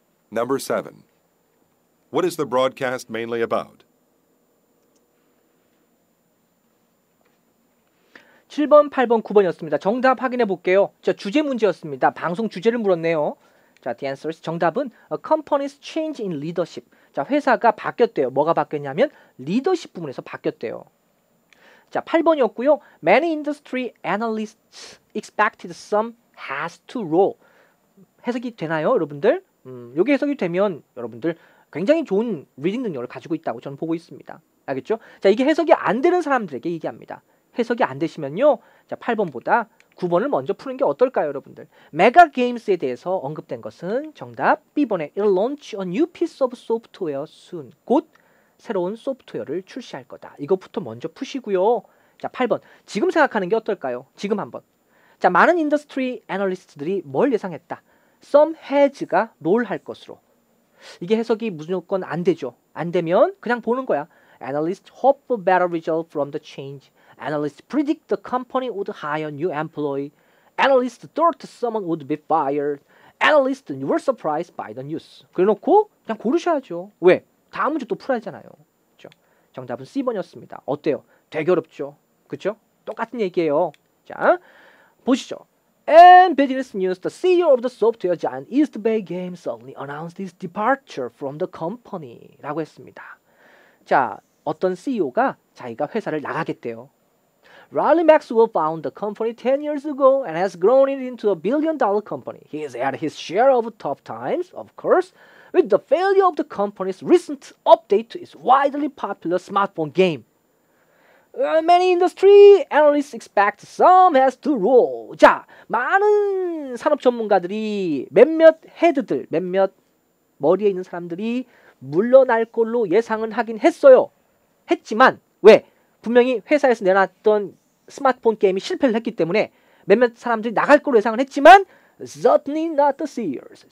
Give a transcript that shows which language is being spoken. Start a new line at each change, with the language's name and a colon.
English: Number 7. What is the broadcast mainly about?
Korean: 7번, 8번, 9번이었습니다. 정답 확인해 볼게요. 자, 주제 문제였습니다. 방송 주제를 물었네요.
English: 자, the answer is
Korean: 정답은
English: a company's change in leadership.
Korean: 자, 회사가 바뀌었대요. 뭐가 바뀌었냐면 리더십 부분에서 바뀌었대요. 자, 8번이었고요.
English: Many industry analysts expected some has to roll.
Korean: 해석이 되나요, 여러분들? 이게 해석이 되면 여러분들 굉장히 좋은 리딩 능력을 가지고 있다고 저는 보고 있습니다. 알겠죠? 자, 이게 해석이 안 되는 사람들에게 얘기합니다. 해석이 안 되시면요, 자, 8번보다 9번을 먼저 푸는 게 어떨까요, 여러분들? 메가 게임스에 대해서 언급된 것은 정답 B번에
English: It'll launch a new piece of software soon.
Korean: 곧 새로운 소프트웨어를 출시할 거다. 이것부터 먼저 푸시고요. 자, 8번. 지금 생각하는 게 어떨까요? 지금 한번. 자, 많은 인더스트리 애널리스트들이 뭘 예상했다?
English: Some heads
Korean: 가 롤할 것으로. 이게 해석이 무조건 안 되죠. 안 되면 그냥 보는 거야.
English: Analysts hope for better result from the change. Analysts predict the company would hire a new employee. Analysts thought someone would be fired. Analysts were surprised by the news.
Korean: 그래놓고 그냥 고르셔야죠. 왜? 다음 문제 또 풀어야잖아요. 그렇죠? 정답은 C번이었습니다. 어때요? 되게 어렵죠? 그렇죠? 똑같은 얘기예요. 자, 보시죠.
English: And business news, the CEO of the software giant East Bay Games suddenly announced his departure from the company.
Korean: 라고 했습니다. 자, 어떤 CEO가 자기가 회사를 나가겠대요.
English: Riley Maxwell founded the company 10 years ago and has grown it into a billion-dollar company. He has had his share of tough times, of course, with the failure of the company's recent update to its widely popular smartphone game. Many industry analysts expect some has to roll.
Korean: 자, 많은 산업 전문가들이 몇몇 헤드들, 몇몇 머리에 있는 사람들이 물러날 걸로 예상은 하긴 했어요. 했지만 왜? 분명히 회사에서 내놨던 스마트폰 게임이 실패를 했기 때문에 몇몇 사람들이 나갈 걸로 예상은 했지만
English: certainly not the CEOs.